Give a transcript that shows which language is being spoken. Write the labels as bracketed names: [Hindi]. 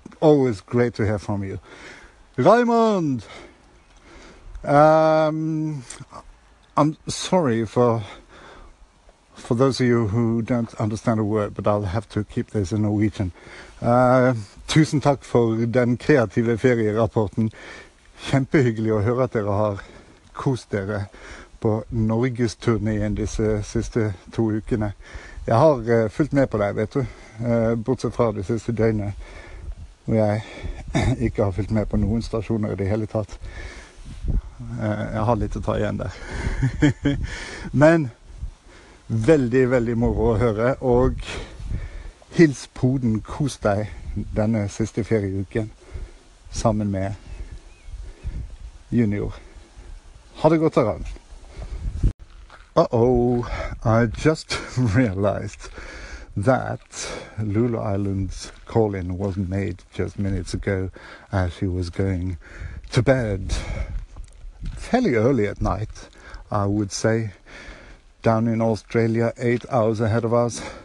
[English] Always great to hear from you. Raimund! I'm sorry for those of you who don't understand a word, but I'll have to keep this in Norwegian. [Norwegian] Tusen takk for den kreative ferierapporten. Kjempehyggelig å høre at dere har kost dere på Norges turnéen disse siste to ukene. Jeg har fulgt med på deg, vet du, bortsett fra de siste døgnene, hvor jeg ikke har fulgt med på noen stasjoner i det hele tatt. Jeg har litt å ta igjen der. Men veldig, veldig moro å høre, og hils poden, kos deg denne siste ferieuken sammen med Junior. Ha det godt, Aran. [English] Uh-oh, I just realized that Lulu Island's call-in was made just minutes ago as she was going to bed. Fairly early at night, I would say. Down in Australia, 8 hours ahead of us.